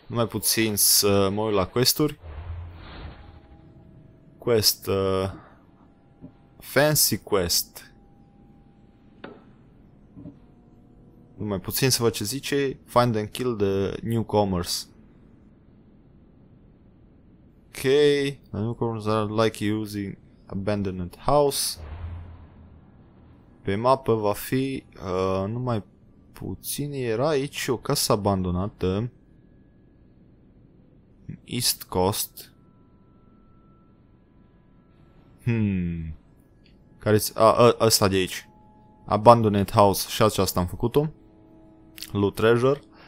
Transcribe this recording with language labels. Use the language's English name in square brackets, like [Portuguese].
[Romanian] Numai puțin să mă uit la quest-uri. [English] Quest. Fancy quest. [Romanian] Numai puțin să văd ce zice. [English] Find and kill the newcomers. Ok. The newcomers are like using abandoned house. [Romanian] Pe mapă va fi numai puțin, era aici o casă abandonată în East Coast. Care-ți... ăsta de aici. Abandoned House, și aceasta am făcut-o. [English] Loot Treasure.